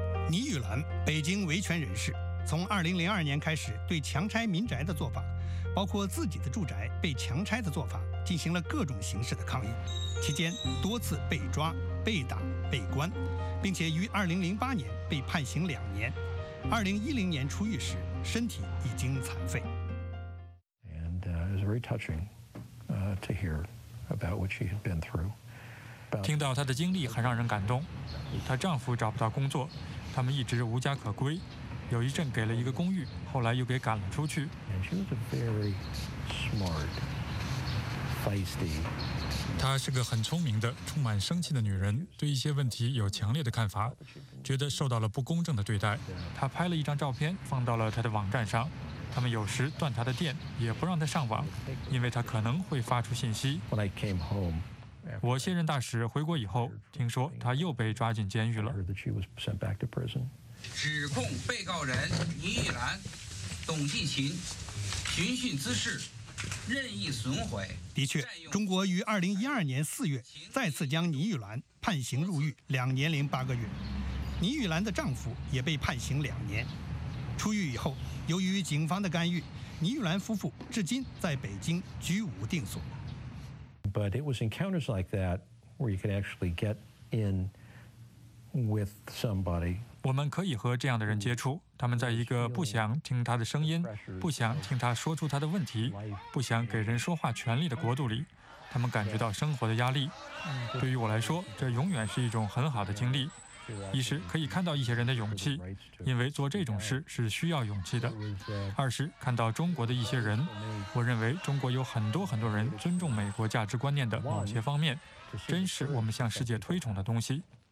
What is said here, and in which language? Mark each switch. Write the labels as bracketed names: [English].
[Chinese] 倪玉兰，北京维权人士，从2002年开始对强拆民宅的做法，包括自己的住宅被强拆的做法，进行了各种形式的抗议，期间多次被抓、被打、被关，并且于2008年被判刑两年。 2010年出狱时，身体已经残废。 [English] And it was very touching to hear about what she had been through. [Chinese] 听到她的经历很让人感动。她丈夫找不到工作，他们一直无家可归，有一阵给了一个公寓，后来又给赶了出去。她是个很聪明的、充满生气的女人，对一些问题有强烈的看法，觉得受到了不公正的对待。她拍了一张照片，放到了她的网站上。他们有时断她的电，也不让她上网，因为她可能会发出信息。我卸任大使回国以后，听说他又被抓进监狱了。指控被告人倪玉兰、董继勤寻衅滋事、任意损毁。的确，中国于2012年4月再次将倪玉兰判刑入狱2年0.8个月。倪玉兰的丈夫也被判刑两年。出狱以后，由于警方的干预，倪玉兰夫妇至今在北京居无定所。 [English] But it was encounters like that where you could actually get in with somebody. [Chinese] 我们可以和这样的人接触，他们在一个不想听他的声音、不想听他说出他的问题、不想给人说话权利的国度里，他们感觉到生活的压力。对于我来说，这永远是一种很好的经历。一是可以看到一些人的勇气，因为做这种事是需要勇气的；二是看到中国的一些人，我认为中国有很多很多人尊重美国价值观念的某些方面，真是我们向世界推崇的东西。